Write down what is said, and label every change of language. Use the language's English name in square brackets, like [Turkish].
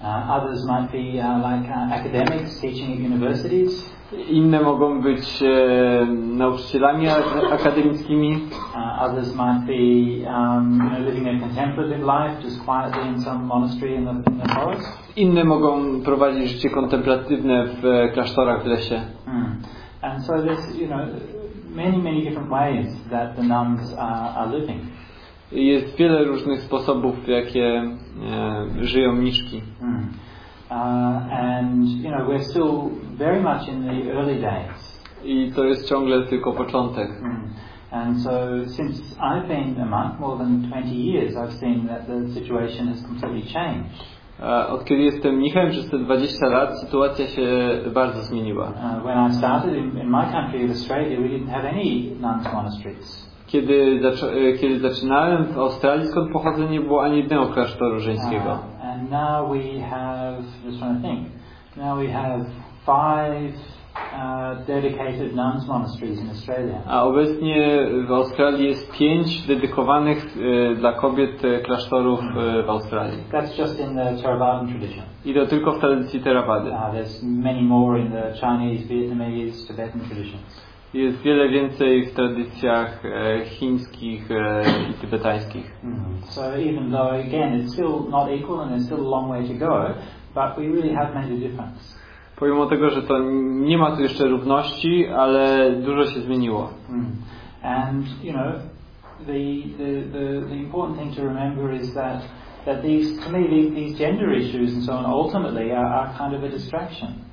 [English] Others might be like academics teaching at universities. [Polish] Inne mogą być nauczycielami akademickimi. [English] Others might be living a contemplative life, just quietly in some monastery in the forest. [Polish] Inne mogą prowadzić życie kontemplatywne w klasztorach w lesie. [English] And so this, many, many different ways that the nuns are living. [Polish] Jest wiele różnych sposobów, w jakie żyją mniszki. [English] And we're still very much in the early days. [Polish] I to jest ciągle tylko początek. [English] And so since I've been a monk more than 20 years, I've seen that the situation has completely changed. [Polish] Od kiedy jestem mnichem, przez te 20 lat, sytuacja się bardzo zmieniła. [English] When I started in my country, in Australia, we didn't have any nuns monasteries. [Polish] Kiedy zaczynałem w Australii, skąd pochodzę, nie było ani jednego klasztoru żeńskiego. [English] And now we have, just trying to think, now we have five, dedicated nuns monasteries in Australia. [Polish] A obecnie w Australii jest 5 dedykowanych dla kobiet klasztorów w Australii. [English] That's just in the Theravadan tradition. [Polish] I to tylko w tradycji Theravady. [English] There's many more in the Chinese, Vietnamese, Tibetan traditions. [Polish] Jest wiele więcej w tradycjach chińskich i tybetańskich. [English] So even though again it's still not equal and there's still a long way to go, but we really have made a difference. [Polish] Pomimo tego, że to nie ma tu jeszcze równości, ale dużo się zmieniło. [English] And you know, the important thing to remember is that these, to me, these gender issues and so on ultimately are kind of a distraction.